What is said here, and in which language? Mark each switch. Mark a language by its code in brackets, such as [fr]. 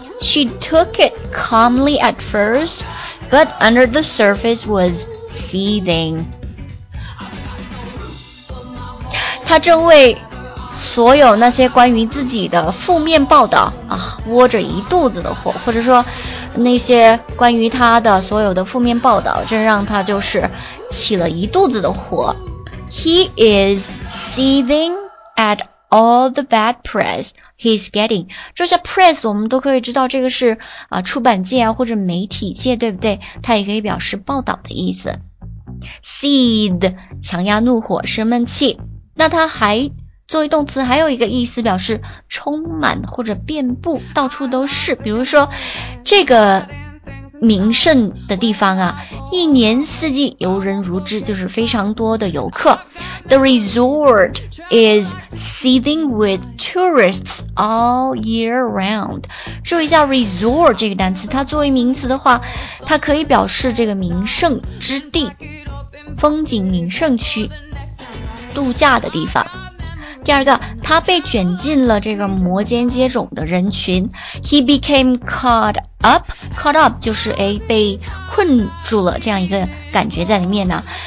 [en] She took it calmly at first， but under the surface was seething。 [zh] 他正为所有那些关于自己的负面报道啊，窝着一肚子的火，或者说那些关于他的所有的负面报道，正让他就是起了一肚子的火。 [en] He is seething at all the bad press he's getting。 [zh] 这些 press 我们都可以知道，这个是啊出版界啊或者媒体界，对不对？它也可以表示报道的意思。Seed 强压怒火，生闷气。那他还。作为动词还有一个意思表示充满或者遍布到处都是，比如说这个名胜的地方啊，一年四季游人如织，就是非常多的游客。 [en] The resort is seething with tourists all year round。 [zh] 注意一下 resort 这个单词，它作为名词的话，它可以表示这个名胜之地，风景名胜区，度假的地方。第二个，他被卷进了这个摩肩接踵的人群。 [en] He became caught up， [zh] caught up 就是被困住了这样一个感觉在里面呢。